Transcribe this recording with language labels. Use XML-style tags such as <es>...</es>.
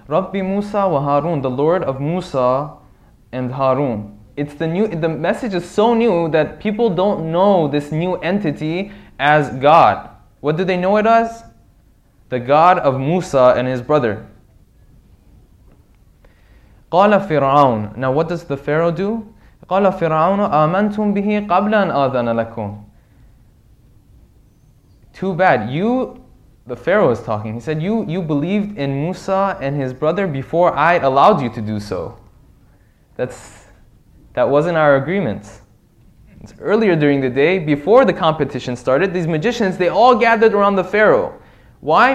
<ar>رَبِّ مُوسَى وَهَارُونَ</ar> <en>The Lord of Musa and Harun. It's the new. The message is so new that people don't know this new entity as God. What do they know it as? The God of Musa and his brother.</en> <ar>قَالَ فِرْعَوْنَ</ar> <en>Now what does the Pharaoh do?</en> <ar>قَالَ فِرْعَوْنُ آمَنْتُمْ بِهِ قَبْلَ أَنْ آذَنَ لَكُمْ</ar> <en>Too bad. You, the Pharaoh is talking. He said, you believed in Musa and his brother before I allowed you to do so. That wasn't our agreement. It's earlier during the day, before the competition started, these magicians, they all gathered around the Pharaoh. Why?</en>